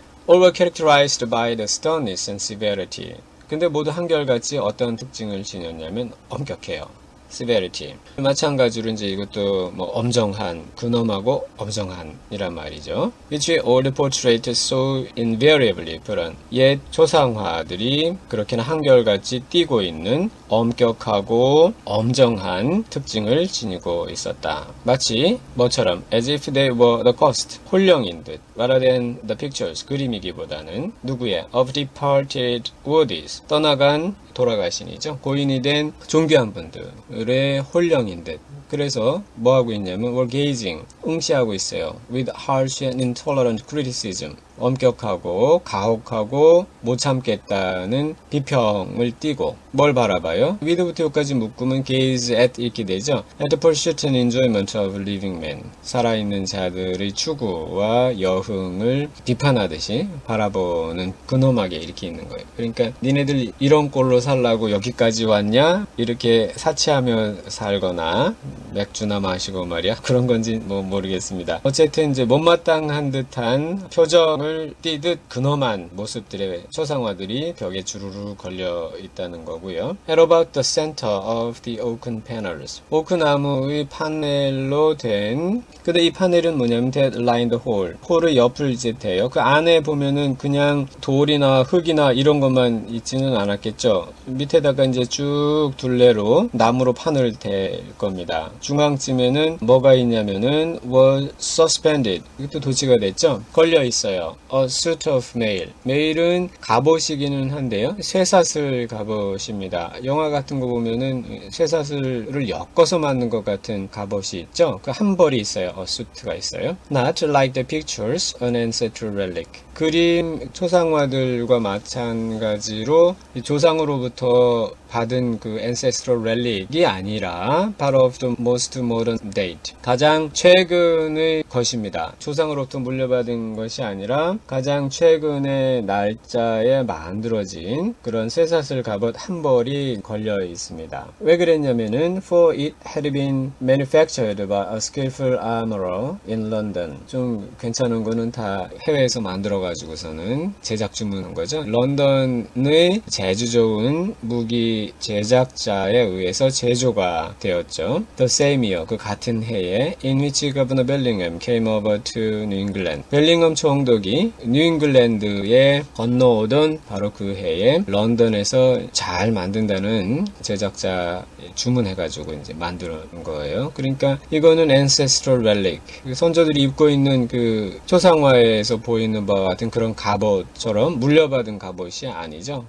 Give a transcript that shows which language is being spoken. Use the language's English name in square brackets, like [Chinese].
[English] All were characterized by the sternness and severity. [Korean] 근데 모두 한결같이 어떤 특징을 지녔냐면 엄격해요. [English] Severity. [Korean] 마찬가지로 이제 이것도 뭐 엄정한, 군엄하고 엄정한이란 말이죠. [English] Which we all portrayed so invariably. [Korean] 그런 옛 초상화들이 그렇게나 한결같이 띄고 있는 엄격하고 엄정한 특징을 지니고 있었다. 마치 뭐처럼 [English] as if they were the cast, [Korean] 혼령인 듯. [English] Rather than the pictures, [Korean] 그림이기보다는 누구의 [English] of departed worthies, [Korean] 떠나간 돌아가신이죠. 고인이 된 존귀한 분들의 혼령인 듯. 그래서 뭐 하고 있냐면 [English] we're gazing, [Korean] 응시하고 있어요. [English] With harsh and intolerant criticism. [Korean] 엄격하고 가혹하고 못 참겠다는 비평을 띠고 뭘 바라봐요? With부터 여기까지 묶으면 gaze at 이렇게 되죠? [English] At the pursuit and enjoyment of living men. [Korean] 살아있는 자들의 추구와 여흥을 비판하듯이 바라보는 근엄하게 이렇게 있는 거예요. 그러니까 니네들 이런 꼴로 살라고 여기까지 왔냐? 이렇게 사치하며 살거나 맥주나 마시고 말이야. 그런 건지 뭐 모르겠습니다. 어쨌든 이제 못마땅한 듯한 표정을 띠듯 근엄한 모습들의 초상화들이 벽에 주르르 걸려 있다는 거고요. [English] At about the center of the oaken panels. [Korean] 오크나무의 파넬로 된, 근데 이 파넬은 뭐냐면 [English] that lined the hall. [Korean] 홀의 옆을 이제 대요. 그 안에 보면은 그냥 돌이나 흙이나 이런 것만 있지는 않았겠죠. 밑에다가 이제 쭉 둘레로 나무로 판을 댈 겁니다. 중앙쯤에는 뭐가 있냐면은 [English] was suspended. [Korean] 이것도 도치가 됐죠. 걸려 있어요. [English] A suit of mail. [Korean] 메일은 갑옷이기는 한데요. 쇠사슬 갑옷입니다. 영화 같은 거 보면은 쇠사슬을 엮어서 만든 것 같은 갑옷이 있죠. 그한 벌이 있어요. [English] A suit가 있어요. Not like the pictures, an ancestral relic. [Korean] 그림 초상화들과 마찬가지로 조상으로부터 받은 그 ancestral relic이 아니라 [English] part of the most modern date. [Korean] 가장 최근의 것입니다. 조상으로부터 물려받은 것이 아니라 가장 최근의 날짜에 만들어진 그런 쇠사슬 갑옷 한 벌이 걸려 있습니다. 왜 그랬냐면은 [English] for it had been manufactured by a skillful armorer in London. [Korean] 좀 괜찮은 거는 다 해외에서 만들어 가지고서는 제작 주문한 거죠. 런던의 재주 좋은 무기 제작자에 의해서 제조가 되었죠. [English] The same year, [Korean] 그 같은 해에 [English] in which Governor Bellingham came over to New England. [Korean] 벨링엄 총독이 뉴잉글랜드에 건너오던 바로 그 해에 런던에서 잘 만든다는 제작자 주문해가지고 이제 만드는 거예요. 그러니까 이거는 ancestral relic. 선조들이 입고 있는 그 초상화에서 보이는 바와 같은 그런 갑옷처럼 물려받은 갑옷이 아니죠.